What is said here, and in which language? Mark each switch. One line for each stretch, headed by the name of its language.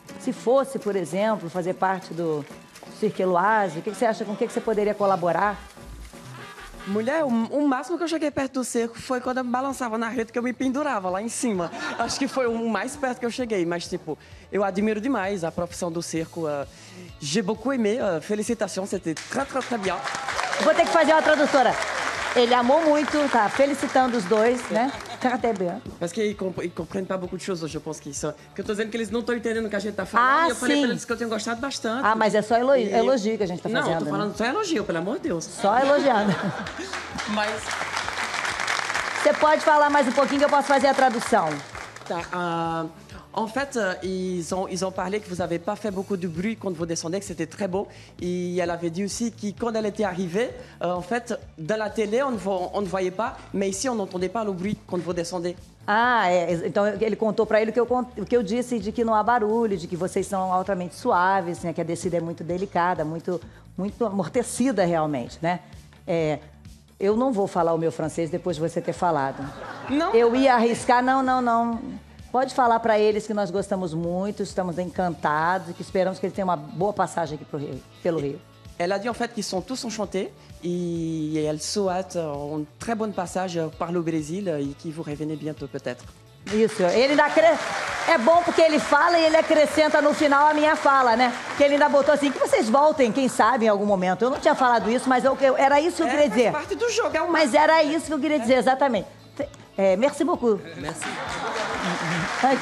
Portuguese: Se fosse, por exemplo, fazer parte do Cirque Loise, o que você acha, com o que você poderia colaborar? Mulher, o máximo que eu cheguei perto do circo foi quando eu me balançava na rede, que eu me pendurava lá em cima. Acho que foi o mais perto que eu cheguei. Mas, tipo, eu admiro demais a profissão do circo.
French: J'ai beaucoup aimé. Félicitations, c'était très, très, très bien.
Portuguese: Vou ter que fazer uma tradutora. Ele amou muito, tá felicitando os dois, né? Até bem. Mas que ele compreende
French: pas beaucoup de choses,
Portuguese: eu penso que isso... Que eu tô dizendo que eles não estão entendendo o que a gente tá falando. Ah, e eu falei pra eles que eu tenho gostado bastante. Ah, mas é só elogio que a gente tá fazendo. Não, eu tô falando, né? Só elogio, pelo amor de Deus. Só elogiando. Mas... Você pode falar mais um pouquinho que eu posso fazer a tradução. Tá,
French: En fait, ils ont parlé que vous avez pas fait beaucoup de bruit quand vous descendez, que c'était très beau. Et elle avait dit aussi que quand elle était arrivée, en fait, dans la télé, on ne voyait pas, mais ici, on n'entendait pas le bruit quand vous descendez.
Portuguese: Ah, é. Então ele contou para ele o que eu disse, de que não há barulho, de que vocês são altamente suaves, né? Que a descida é muito delicada, muito, muito amortecida realmente, né? É... Eu não vou falar o meu francês depois de você ter falado. Não. Eu ia arriscar, não, não, não. Pode falar para eles que nós gostamos muito, estamos encantados e que esperamos que ele tenha uma boa passagem aqui pelo Rio. Ela disse,
French: en fait, qu'ils sont tous enchantés
Portuguese: e ela
French: souhaite une très bonne passage par le Brésil e que vous revenez bientôt, peut-être.
Portuguese: Isso, ele ainda é bom porque ele fala e ele acrescenta no final a minha fala, né? Que ele ainda botou assim, que vocês voltem, quem sabe, em algum momento. Eu não tinha falado isso, mas era isso que eu queria dizer. É parte do jogo, é uma... Mas era isso que eu queria dizer, exatamente.
French: Merci beaucoup. Merci.